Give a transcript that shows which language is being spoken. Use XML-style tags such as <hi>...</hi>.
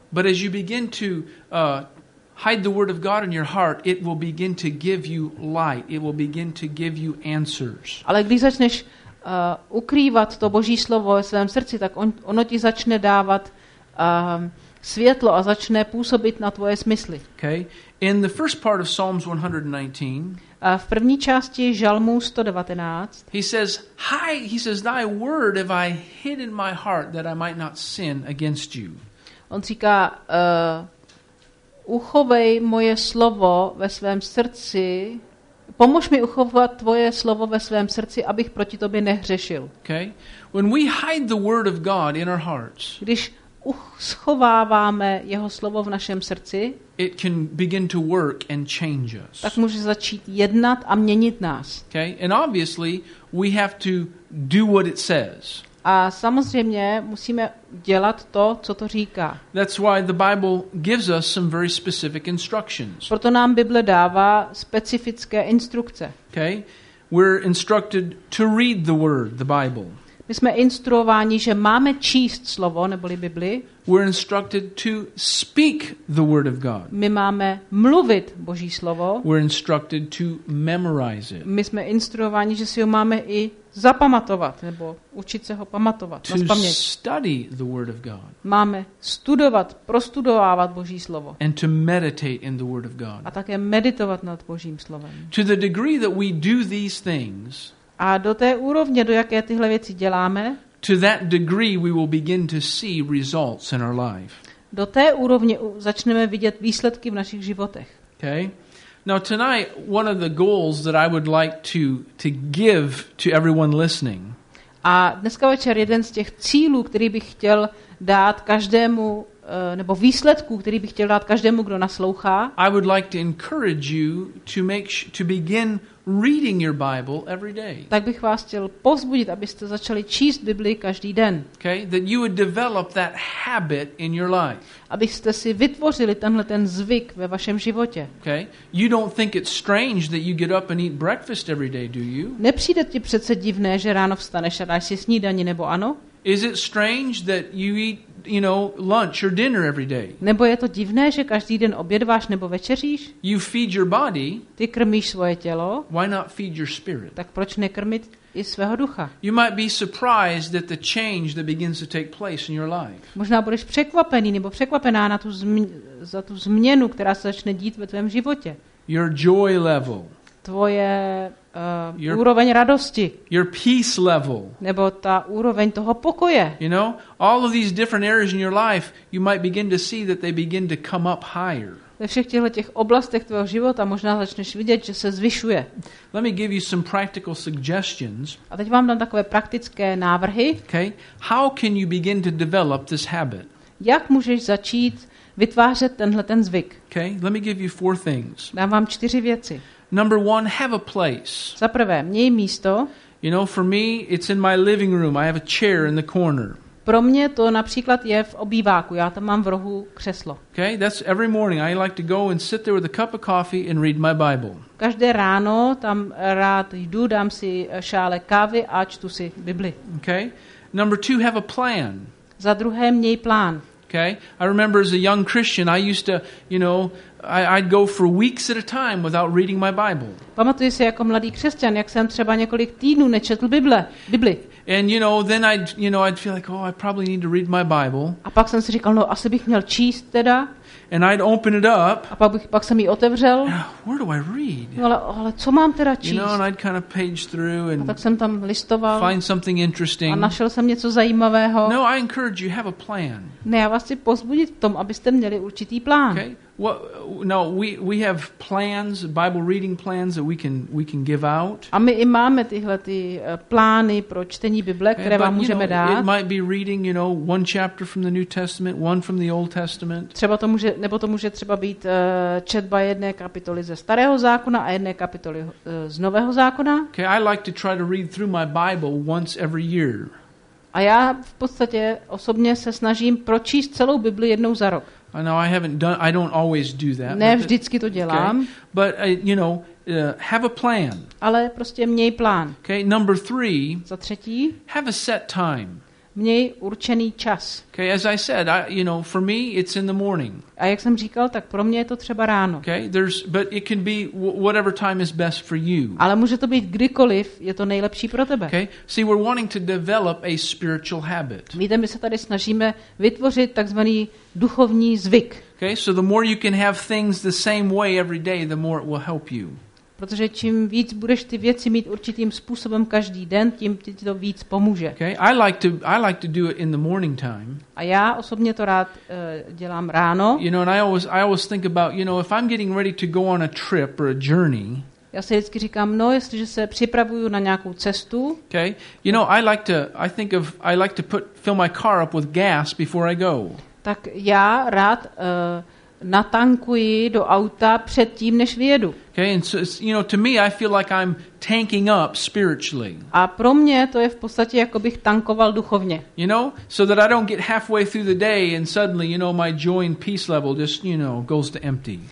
<en>But as you begin to hide the word of God in your heart, it will begin to give you light. It will begin to give you answers.</en> <cs>Ale když začneš ukrývat to Boží slovo ve svém srdci, tak ono ti začne dávat světlo a začne působit na tvoje smysly.</cs> <en>Okay. In the first part of Psalms 119,</en> <cs>v první části Žalmů 119,</cs> <en>he says, thy word have I hid in my heart that I might not sin against you.</en> <cs>On říká, uchovej moje slovo ve svém srdci, pomož mi uchovat tvoje slovo ve svém srdci, abych proti tobě nehřešil.</cs> <en>Okay. When we hide the word of God in our hearts,</en> <cs>když schováváme jeho slovo v našem srdci,</cs> <en>it can begin to work and change us.</en> <cs>Tak může začít jednat a měnit nás.</cs> <en>Okay. And obviously we have to do what it says.</en> <cs>A samozřejmě musíme dělat to, co to říká.</cs> <en>That's why the Bible gives us some very specific instructions.</en> <cs>Proto nám Bible dává specifické instrukce.</cs> <en>Okay. We're instructed to read the word, the Bible.</en> <cs>My jsme instruováni, že máme číst slovo neboli Bibli.</cs> <en>We're instructed to speak the word of God.</en> <cs>My máme mluvit Boží slovo.</cs> <en>We're instructed to memorize it.</en> <cs>My jsme instruováni, že si ho máme i zapamatovat nebo učit se ho pamatovat, nazpaměť.</cs> <en>To study the word of God.</en> <cs>Máme studovat, prostudovávat Boží slovo.</cs> <en>And to meditate in the word of God.</en> <cs>A také meditovat nad Božím slovem.</cs> <en>To the degree that we do these things,</en> <cs>a do té úrovně, do jaké tyhle věci děláme,</cs> <en>to that degree we will begin to see results in our life.</en> <cs>Do té úrovně začneme vidět výsledky v našich životech.</cs> <en>Okay. Now tonight one of the goals that I would like to give to everyone listening.</en> <cs>A dneska večer jeden z těch cílů, který bych chtěl dát každému, nebo výsledků, který bych chtěl dát každému, kdo naslouchá.</cs> <en>I would like to encourage you to begin reading your Bible every day.</en> <cs>Tak bych vás chtěl povzbudit, abyste začali číst Bibli každý den.</cs> <en>Okay, that you would develop that habit in your life.</en> <cs>Abyste si vytvořili tenhle ten zvyk ve vašem životě.</cs> <en>Okay, you don't think it's strange that you get up and eat breakfast every day, do you?</en> <cs>Nepřijde ti přece divné, že ráno vstaneš a dáš si snídani, nebo ano?</cs> <en>Is it strange that you eat, you know, lunch or dinner every day?</en> <cs>Nebo je to divné, že každý den obědváš nebo večeříš?</cs> <en>You feed your body.</en> <cs>Ty krmíš svoje tělo.</cs> <en>Why not feed your spirit?</en> <cs>Tak proč nekrmit i svého ducha?</cs> <en>You might be surprised at the change that begins to take place in your life.</en> <cs>Možná budeš překvapený nebo překvapená na tu změnu, která se začne dít ve tvém životě.</cs> <en>Your joy level.</en> <cs>Tvoje úroveň radosti.</cs> <en>Your peace level.</en> <cs>Nebo ta úroveň toho pokoje.</cs> <en>You know, all of these different areas in your life, you might begin to see that they begin to come up higher.</en> <cs>Ve všech těch oblastech tvého života možná začneš vidět, že se zvyšuje.</cs> <en>Let me give you some practical suggestions.</en> <cs>A teď vám dám takové praktické návrhy.</cs> <en>Okay. How can you begin to develop this habit?</en> <cs>Jak můžeš začít vytvářet tenhle ten zvyk?</cs> <en>Okay. Let me give you four things.</en> <cs>Dám vám čtyři věci.</cs> <en>Number one, have a place.</en> <cs>Za prvé, měj místo.</cs> <en>You know, for me, it's in my living room. I have a chair in the corner.</en> <cs>Pro mě to například je v obýváku. Já tam mám v rohu křeslo.</cs> <en>Okay, that's every morning. I like to go and sit there with a cup of coffee and read my Bible.</en> <cs>Každé ráno tam rád jdu, dám si šále kávy a čtu si Bibli.</cs> <en>Okay, number two, have a plan.</en> <cs>Za druhé, měj plán.</cs> <en>Okay, I remember as a young Christian, I used to, you know, I'd go for weeks at a time without reading my Bible.</en> <cs>Pamatuji si jako mladý křesťan, jak jsem třeba několik týdnů nečetl Bibli.</cs> <en>And you know, then I'd feel like, oh, I probably need to read my Bible.</en> <cs>A pak jsem si říkal, no, asi bych měl číst teda.</cs> <en>And I'd open it up.</en> <cs>A pak jsem ji otevřel.</cs> <en>Where do I read?</en> <cs>No, ale co mám teda číst?</cs> <en>You know, and I'd kind of page through and</en> <cs>a tak jsem tam listoval.</cs> <en>Find something interesting.</en> <cs>A našel jsem něco zajímavého.</cs> <en>No, I encourage you, have a plan.</en> <cs>Ne, já vás chci pozbudit v tom, abyste měli určitý plán.</cs> <en>Okay. We have plans, Bible reading plans that we can give out.</en> <cs>A my i máme tyhle ty plány pro čtení Bible, které vám můžeme dát.</cs> <en>It might be reading, you know, one chapter from the New Testament, one from the Old Testament.</en> <cs>Třeba to může, nebo to může třeba být četba jedné kapitoly ze Starého zákona a jedné kapitoly z Nového zákona.</cs> <en>Okay, I like to try to read through my Bible once every year.</en> <cs>A já v podstatě osobně se snažím pročíst celou Bibli jednou za rok.</cs> <en>I know I haven't done. I don't always do that.</en> <cs>Ne, vždycky to dělám. Okay.</cs> <en>But you know, have a plan.</en> <cs>Ale prostě měj plán.</cs> <en>Okay. Number three.</en> <cs>Za třetí.</cs> <en>Have a set time.</en> <cs>Měj určený čas.</cs> <en>Okay. As I said, you know, for me, it's in the morning.</en> <cs>A jak jsem říkal, tak pro mě je to třeba ráno.</cs> <en>Okay. There's, but it can be whatever time is best for you.</en> <cs>Ale může to být kdykoliv, je to nejlepší pro tebe.</cs> <en>Okay. See, we're wanting to develop a spiritual habit.</en> <cs>Víte, my se tady snažíme vytvořit takzvaný duchovní zvyk.</cs> <en>Okay, so the more you can have things the same way every day, the more it will help you.</en> <cs>Protože čím víc budeš ty věci mít určitým způsobem každý den, tím ti to víc pomůže.</cs> <en>Okay, I like to do it in the morning time.</en> <cs>A já osobně to rád dělám ráno.</cs> <en>You know, and I always think about, you know, if I'm getting ready to go on a trip or a journey.</en> <cs>Já si vždycky říkám, no, jestliže se připravuju na nějakou cestu.</cs> <en>Okay, you know, I like to put fill my car up with gas before I go.</en> <cs>Tak já rád natankuji do auta předtím, než vyjedu.</cs> <en>Okay, and so it's, you know, to me, I feel like I'm tanking up spiritually.</en> <cs>A pro mě to je v podstatě, jako bych tankoval duchovně.</cs> <en>You know, so that I don't get halfway through the day and suddenly, you know, my joy and peace level just, you know, goes to empty.</en>